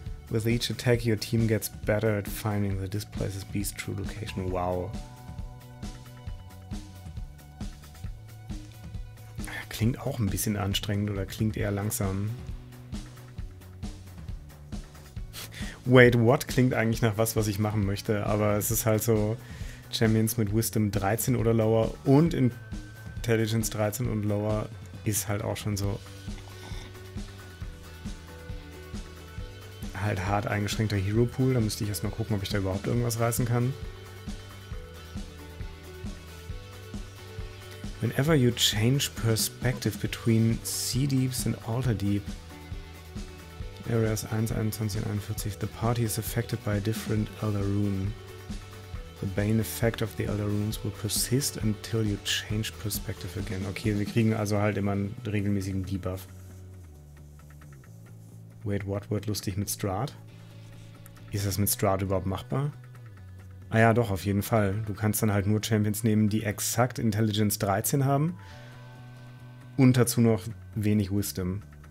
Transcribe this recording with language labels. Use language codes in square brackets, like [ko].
[en] With each attack, your team gets better at finding the Displacer Beast's true location. Wow. [de] Klingt auch ein bisschen anstrengend oder klingt eher langsam. [en] Wait, what? [de] Klingt eigentlich nach was, was ich machen möchte, aber es ist halt so Champions mit Wisdom 13 oder lower und Intelligence 13 und lower ist halt auch schon so halt hart eingeschränkter Hero Pool. Da müsste ich erstmal gucken, ob ich da überhaupt irgendwas reißen kann. [en] Whenever you change perspective between Sea Deeps and Alter Deep, areas 1, 21 und 41, the party is affected by a different Elder Rune. The Bane effect of the Elder Runes will persist until you change perspective again. [de] Okay, wir kriegen also halt immer einen regelmäßigen Debuff. [en] Wait, what [de] wird lustig mit Strahd? Ist das mit Strahd überhaupt machbar? Ah ja, doch, auf jeden Fall. Du kannst dann halt nur Champions nehmen, die exakt Intelligence 13 haben und dazu noch wenig Wisdom.